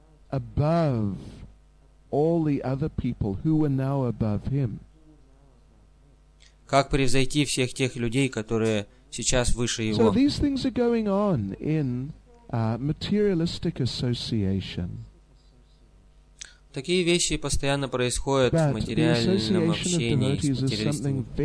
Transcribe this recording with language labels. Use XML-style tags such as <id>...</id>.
<en>Above all the other people who were now above him.</en> <ru>Как превзойти всех тех людей, которые сейчас выше его?</ru> <en>So these things are going on in materialistic association.</en> <ru>Такие вещи постоянно происходят в материальном общении с материалистами.</ru>